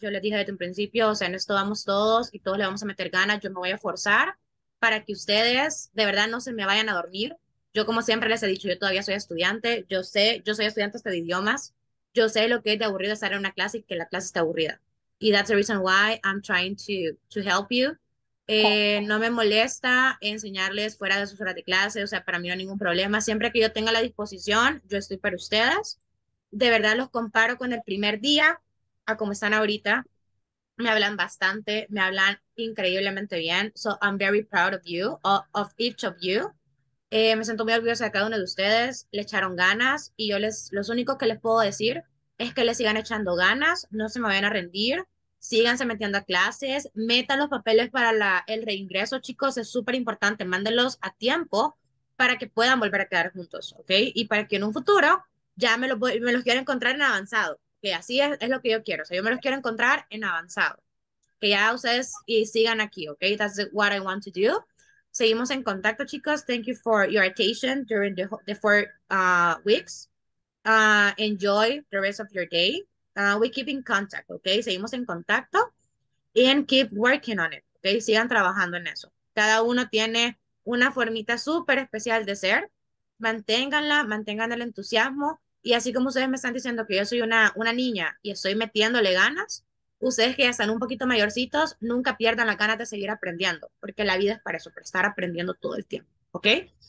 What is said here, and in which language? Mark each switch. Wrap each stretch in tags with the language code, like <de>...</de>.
<es>Yo les dije desde un principio, o sea, en esto vamos todos y todos le vamos a meter ganas. Yo me voy a forzar para que ustedes de verdad no se me vayan a dormir. Yo, como siempre les he dicho, yo todavía soy estudiante. Yo sé, yo soy estudiante hasta de idiomas. Yo sé lo que es de aburrido estar en una clase y que la clase está aburrida.</es> <en>Y that's the reason why I'm trying to help you.</en> <es>No me molesta enseñarles fuera de sus horas de clase, o sea, para mí no hay ningún problema. Siempre que yo tenga la disposición, yo estoy para ustedes. De verdad los comparo con el primer día a cómo están ahorita. Me hablan bastante, me hablan increíblemente bien.</es> <en>So I'm very proud of you, of each of you.</en> <es>Me siento muy orgullosa de cada uno de ustedes. Le echaron ganas y yo les, lo único que les puedo decir es que les sigan echando ganas, no se me vayan a rendir. Síganse metiendo a clases, metan los papeles para la, el reingreso, chicos, es súper importante, mándenlos a tiempo para que puedan volver a quedar juntos, ¿ok? Y para que en un futuro ya me los quiero encontrar en avanzado, que así es lo que yo quiero, o sea, yo me los quiero encontrar en avanzado, que ya ustedes y sigan aquí, ¿ok?</es> <en>That's what I want to do.</en> <es>Seguimos en contacto, chicos,</es> <en>thank you for your attention during the 4 weeks. Enjoy the rest of your day. We keep in contact, okay?</en> <es>Seguimos en contacto</es> <en>and keep working on it, okay?</en> <es>Sigan trabajando en eso. Cada uno tiene una formita súper especial de ser. Manténganla, mantengan el entusiasmo. Y así como ustedes me están diciendo que yo soy una niña y estoy metiéndole ganas, ustedes que ya están un poquito mayorcitos, nunca pierdan la gana de seguir aprendiendo, porque la vida es para eso, para estar aprendiendo todo el tiempo, okay?</es>